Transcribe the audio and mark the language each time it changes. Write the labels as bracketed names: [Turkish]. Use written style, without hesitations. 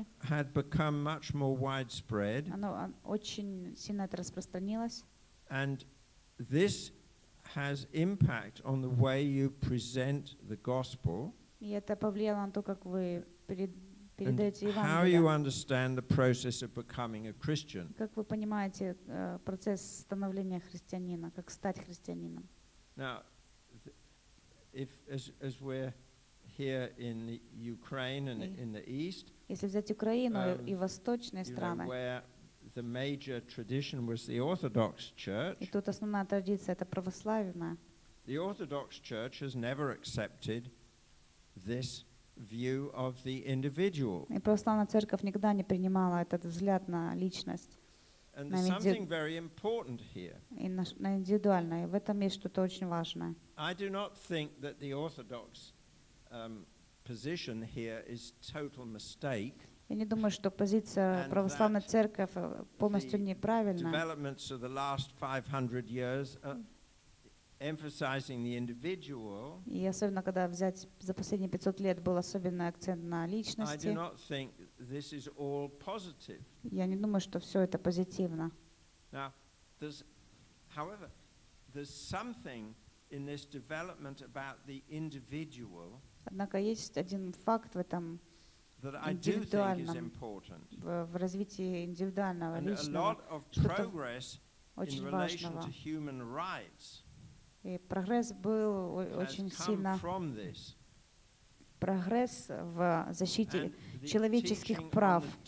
[English] had become much more widespread, and this has impact on the way you present the gospel. [Russian] И это повлияло на то, как вы передаете Евангелие. [English] How you understand the process of becoming a Christian? [Russian] Как вы понимаете процесс становления христианина, как стать христианином? [English] Now, if we're here in the Ukraine and in the East, [Russian] если взять Украину и восточные страны, [English] the major tradition was the Orthodox Church. [Russian] И тут основная традиция это православная. [English] The Orthodox Church has never accepted this view of the individual. [Russian] И православная церковь никогда не принимала этот взгляд на личность. [English] And there's something very important here. [Russian] И на индивидуальное. В этом есть что-то очень важное. [English] I do not think that the Orthodox position here is total mistake. [Russian] Я не думаю, что позиция православной церкви полностью неправильна. [English] Developments of the last 500 years, emphasizing the individual. [Russian] И особенно когда взять за последние 500 лет был особенный акцент на личности. [English] I do not think this is all positive. [Russian] Я не думаю, что все это позитивно. [English] Now, however, there's something in this development about the individual. [Russian] Однако есть один факт в этом. [English] That I do think is important. [Russian] В развитии индивидуального, личного, [English] a lot of progress in relation to human rights. [Russian] И прогресс был очень сильно. Прогресс в защите человеческих прав.